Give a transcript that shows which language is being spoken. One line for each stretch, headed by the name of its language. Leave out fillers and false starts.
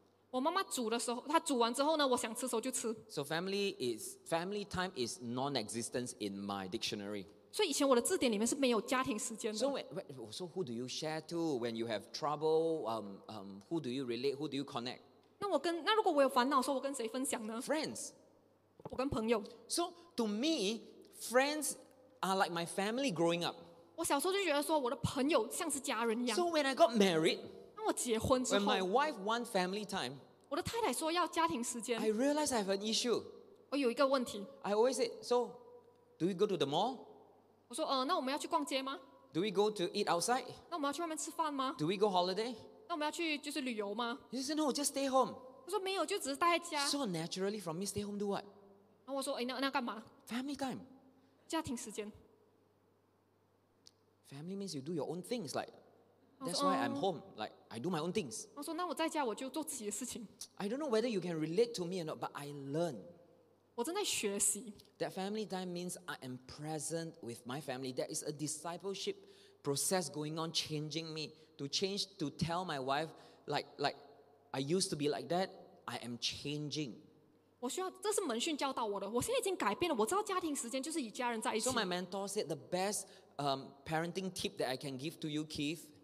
Chinese: 我妈妈煮的时候, 她煮完之后呢, 我想吃的时候就吃。
English: So family time is non-existent in my dictionary.
Chinese: 所以以前我的字典里面是没有家庭时间的。
English: So who do you share to when you have trouble? Who do you relate? Who do you connect?
Chinese: 那如果我有烦恼的时候, 我跟谁分享呢?
English: Friends.
Chinese: 我跟朋友。
English: So to me, friends are like my family growing up.
Chinese: 我小时候就觉得说我的朋友像是家人一样。
English: So when I got married,
Chinese: 当我结婚之后,
English: when my wife want family time,
Chinese: 我的太太说要家庭时间,
English: I realize I have an issue.
Chinese: 我有一个问题。
English: I always say, so do we go to the mall?
Chinese: 我说, 那我们要去逛街吗?
English: Do we go to eat outside?
Chinese: 那我们要去外面吃饭吗?
English: Do we go holiday?
Chinese: 那我们要去就是旅游吗?
English: He said, no, just stay home.
Chinese: 他说没有, 就只是待在家。
English: So naturally from me, stay home do what?
Chinese: 然后我说, 那干嘛?
English: Family time.
Chinese: 家庭时间。
English: Family means you do your own things, like That's why I'm home. Like, I do my own things.
Chinese: 我说那我在家我就做自己的事情。
English: I don't know whether you can relate to me or not, but I learn.
Chinese: 我正在学习。
English: That family time means I am present with my family. There is a discipleship process going on, changing me. To change, to tell my wife, like I used to be like that, I am changing.
Chinese: 我需要，这是门训教导我的。我现在已经改变了。我知道家庭时间就是与家人在一起。
English: So my mentor said the best parenting tip that I can give to you, Keith.